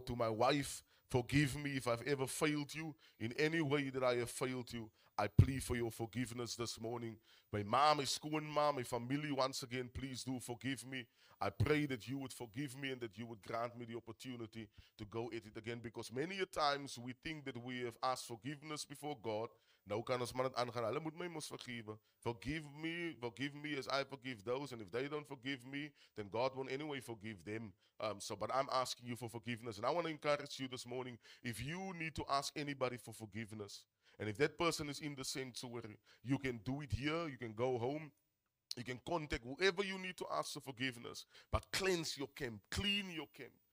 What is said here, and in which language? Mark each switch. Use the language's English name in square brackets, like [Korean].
[English] To my wife, forgive me if I've ever failed you in any way that I have failed you. I plead for your forgiveness this morning. My mom, my school mom, my family, once again, please do forgive me. I pray that you would forgive me and that you would grant me the opportunity to go at it again. Because many a times we think that we have asked forgiveness before God. [Afrikaans] Nou kan ons maar het aangaan, hulle moet my mos vergewe. [English] Forgive me as I forgive those. And if they don't forgive me, then God won't anyway forgive them. But I'm asking you for forgiveness. And I want to encourage you this morning, if you need to ask anybody for forgiveness, and if that person is in the sanctuary, you can do it here, you can go home, you can contact whoever you need to ask for forgiveness, but cleanse your camp, clean your camp.